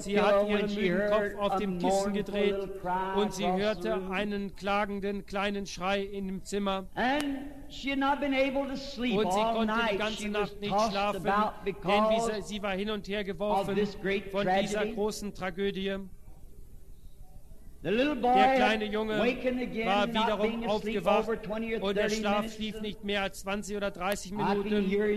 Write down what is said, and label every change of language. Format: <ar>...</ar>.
<de>sie hat ihren müden Kopf auf dem Kissen gedreht und sie hörte einen klagenden kleinen Schrei in dem Zimmer.</de> <en>And she had not been able to sleep</en> <de>und sie konnte die ganze Nacht nicht schlafen, denn sie war hin und her geworfen von dieser großen Tragödie. Der kleine Junge war wiederum aufgewacht und der Schlaf lief nicht mehr als 20 oder 30 Minuten.</de>